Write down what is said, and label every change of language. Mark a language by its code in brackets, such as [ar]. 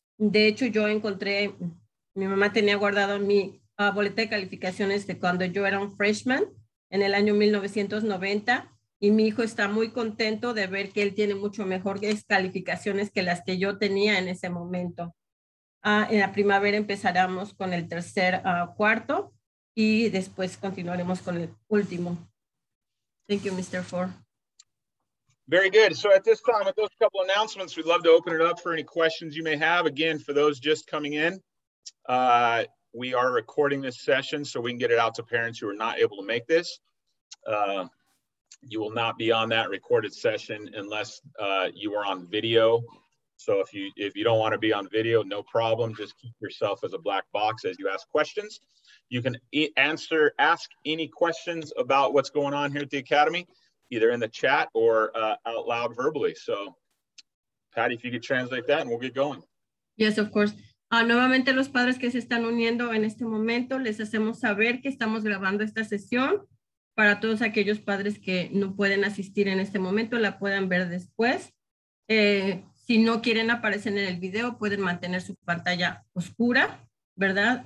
[es] De hecho, yo encontré, mi mamá tenía guardado mi boleta de calificaciones de cuando yo era un freshman, en el año 1990, y mi hijo está muy contento de ver que él tiene mucho mejores calificaciones que las que yo tenía en ese momento. En la primavera empezaremos con el tercer cuarto, y después continuaremos con el último. [en] Thank you, Mr. Ford. Very good. So at this time, with those couple announcements, we'd love to open it up for any questions you may have. Again, for those just coming in, we are recording this session so we can get it out to parents who are not able to make this. You will not be on that recorded session unless you are on video. So if you don't want to be on video, no problem. Just keep yourself as a black box as you ask questions. You can ask any questions about what's going on here at the Academy, either in the chat or out loud verbally. So, Patty, if you could translate that, and we'll get going. Yes, of course. [es] Nuevamente, los padres que se están uniendo en este momento, les hacemos saber que estamos grabando esta sesión para todos aquellos padres que no pueden asistir en este momento, la puedan ver después. Si no quieren aparecer en el video, pueden mantener su pantalla oscura, ¿verdad?